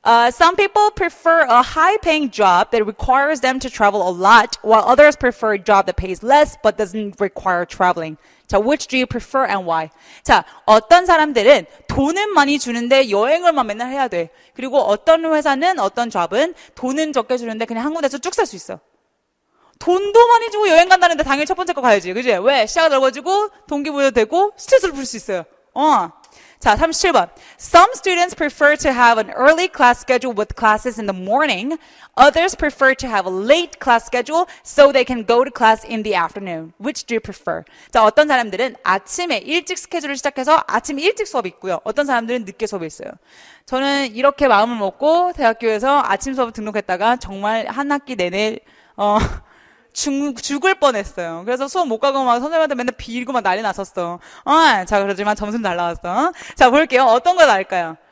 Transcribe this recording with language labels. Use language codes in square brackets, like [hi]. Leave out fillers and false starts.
[en] Some people prefer a high-paying job that requires them to travel a lot, while others prefer a job that pays less but doesn't require traveling. 자, which do you prefer and why? [ko] 자, 어떤 사람들은 돈은 많이 주는데 여행을 막 맨날 해야 돼. 그리고 어떤 회사는, 어떤 job은 돈은 적게 주는데 그냥 한 군데서 쭉살수 있어. 돈도 많이 주고 여행 간다는데 당연히 첫 번째 거 가야지. 그지? 왜? 시야가 넓어지고 동기부여도 되고 스트레스를 풀수 있어요. 자, 37번. [en] Some students prefer to have an early class schedule with classes in the morning. Others prefer to have a late class schedule so they can go to class in the afternoon. Which do you prefer? [ko] 자, 어떤 사람들은 아침에 일찍 스케줄을 시작해서 아침 일찍 수업이 있고요. 어떤 사람들은 늦게 수업이 있어요. 저는 이렇게 마음을 먹고 대학교에서 아침 수업 등록했다가 정말 한 학기 내내, 죽을 뻔했어요. 그래서 수업 못 가고 막 선생님한테 맨날 빌고 막 난리 났었어. 자, 그러지만 점수는 잘 나왔어. 자, 볼게요. 어떤 거 나을까요?